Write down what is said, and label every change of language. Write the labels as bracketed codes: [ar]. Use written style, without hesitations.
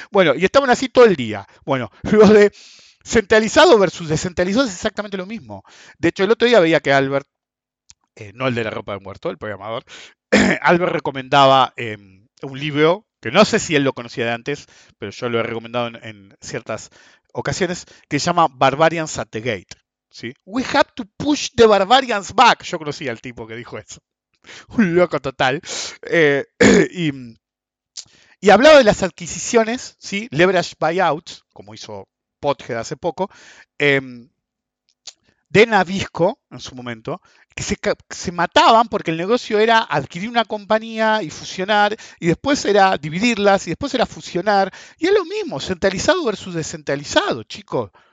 [es] Bueno, y estaban así todo el día. Bueno, lo de centralizado versus descentralizado es exactamente lo mismo. De hecho, el otro día veía que Albert, no el de la ropa de muerto, el programador, Albert recomendaba un libro, que no sé si él lo conocía de antes, pero yo lo he recomendado en ciertas ocasiones, que se llama Barbarians at the Gate. ¿Sí? [en] We have to push the barbarians back. [es] Yo conocía al tipo que dijo eso. Un loco total. Y hablaba de las adquisiciones, ¿sí?, leverage buyouts, como hizo Pothead hace poco, de Nabisco en su momento, que se mataban porque el negocio era adquirir una compañía y fusionar, y después era dividirlas, y después era fusionar, y es lo mismo, centralizado versus descentralizado, chicos.